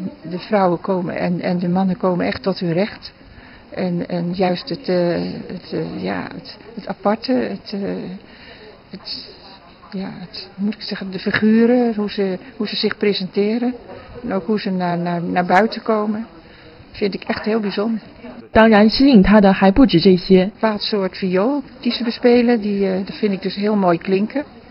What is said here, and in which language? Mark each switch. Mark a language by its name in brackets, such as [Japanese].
[Dutch] De vrouwen komen en de mannen komen echt tot hun recht. En juist het aparte, het. Ja, het, moet ik zeggen, de figuren, hoe ze zich presenteren en ook hoe ze naar buiten komen, vind ik echt heel bijzonder. [Chinese] 当然吸引他的还不止这些。 [Dutch] Wat soort viool die ze bespelen, die vind ik dus heel mooi klinken.